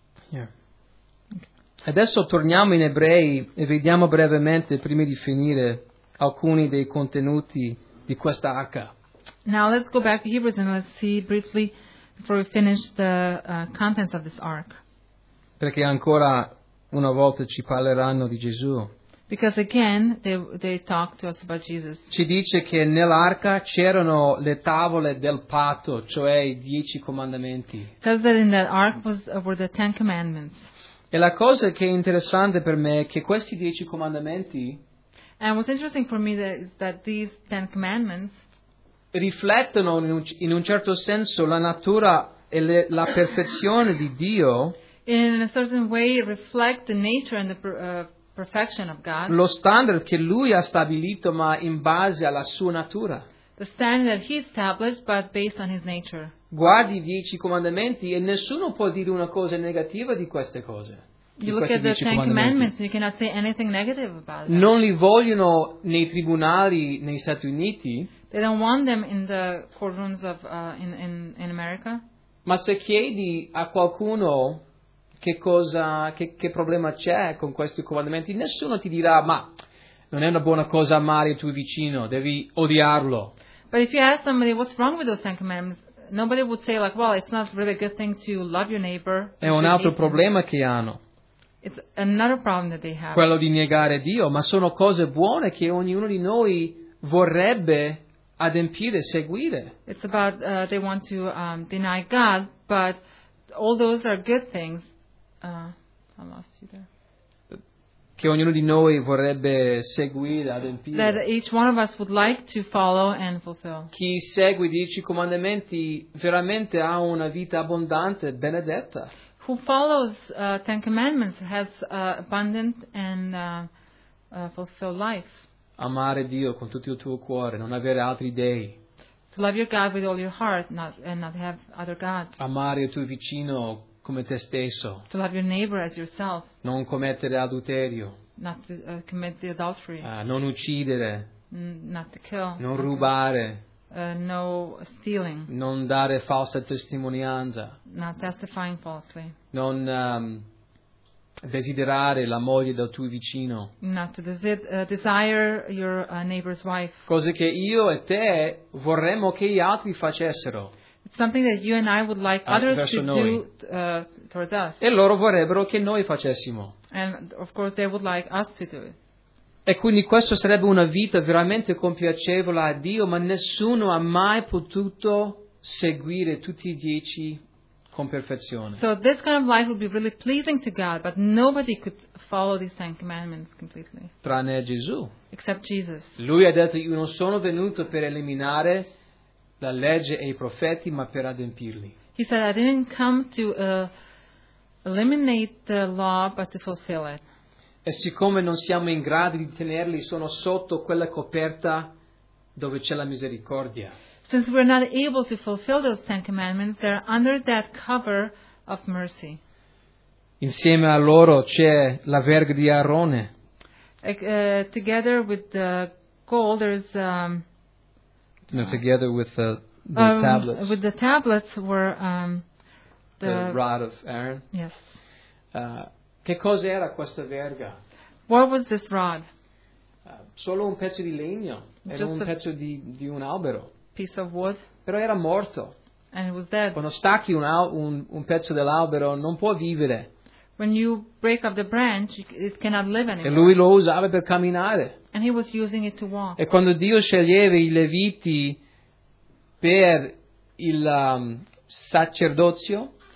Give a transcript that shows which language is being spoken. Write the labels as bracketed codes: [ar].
[en] Yeah. [it] Adesso torniamo in Ebrei e vediamo brevemente, prima di finire, alcuni dei contenuti di questa arca. [en] Now let's go back to Hebrews and let's see briefly before we finish the contents of this ark. [it] Perché ancora una volta ci parleranno di Gesù. [en] Because again they talk to us about Jesus. [it] Ci dice che nell'arca c'erano le tavole del patto, cioè i 10 comandamenti. [en] It says that in that ark were the 10 commandments. [it] E la cosa che è interessante per me è che questi 10 comandamenti, [en] and what's interesting for me is that these 10 commandments [it] riflettono in un certo senso la natura e la perfezione di Dio, [en] in a certain way reflect the nature and the perfection of God, [it] lo standard che lui ha stabilito ma in base alla sua natura, [en] the standard that he established but based on his nature. [it] Guardi i 10 comandamenti e nessuno può dire una cosa negativa di queste cose. [en] You look at the Ten Commandments and you cannot say anything negative about it. [it] Non li vogliono nei tribunali negli Stati Uniti. [en] They don't want them in the courtrooms of in America. [it] Ma se chiedi a qualcuno che problema c'è con questi comandamenti, nessuno ti dirà ma non è una buona cosa amare il tuo vicino, devi odiarlo. [en] But if you ask somebody what's wrong with those Ten Commandments, nobody would say like, well, it's not really a good thing to love your neighbor. [it] È un altro problema che hanno. [en] It's another problem that they have. [it] Quello di negare Dio, ma sono cose buone che ognuno di noi vorrebbe adempiere, seguire. [en] It's about they want to deny God, but all those are good things. I lost you there. [it] Che ognuno di noi vorrebbe seguire, adempiere. [en] That each one of us would like to follow and fulfill. [it] Chi segue i 10 comandamenti veramente ha una vita abbondante, benedetta. [en] Who follows Ten Commandments has abundant and fulfilled life. [it] Amare Dio con tutto il tuo cuore, non avere altri dei. [en] To love your God with all your heart, not have other gods. [it] Amare il tuo vicino come te stesso. [en] To love your neighbor as yourself. [it] Non commettere adulterio. [en] Not to commit the adultery. [it] Non uccidere. [en] Not to kill. [it] Non rubare. [en] No stealing. [it] Non dare falsa testimonianza. [en] Not testifying falsely. [it] Non desiderare la moglie del tuo vicino. [en] Not to desire your neighbor's wife. [it] Cose che io e te vorremmo che gli altri facessero. [en] Something that you and I would like others to [it] noi. [en] Do towards us. [it] E loro vorrebbero che noi facessimo. [en] And of course they would like us to do it. [it] E quindi questo sarebbe una vita veramente compiacevole a Dio, ma nessuno ha mai potuto seguire tutti i 10 con perfezione. [en] So this kind of life would be really pleasing to God, but nobody could follow these 10 commandments completely. [it] Tranne Gesù. [en] Except Jesus. [it] Lui ha detto, io non sono venuto per eliminare la legge e i profeti, ma per adempirli. [en] He said, I didn't come to eliminate the law, but to fulfill it. [it] E siccome non siamo in grado di tenerli, sono sotto quella coperta dove c'è la misericordia. [en] Since we're not able to fulfill those 10 commandments, they're under that cover of mercy. [it] Insieme a loro c'è la verga di Aarone. [en] Together with the gold, there's Together with the tablets. With the tablets were the rod of Aaron. Yes. [it] Che cosa era questa verga? [en] What was this rod? [it] Solo un pezzo di legno. Era un pezzo di un albero. [en] Piece of wood. [it] Però era morto. [en] And it was dead. [it] Quando stacchi un pezzo dell'albero non può vivere. [en] When you break off the branch, it cannot live anymore. [it] E lui lo usava per camminare. [en] And he was using it to walk. [it] E quando Dio sceglieva i Leviti per il sacerdozio.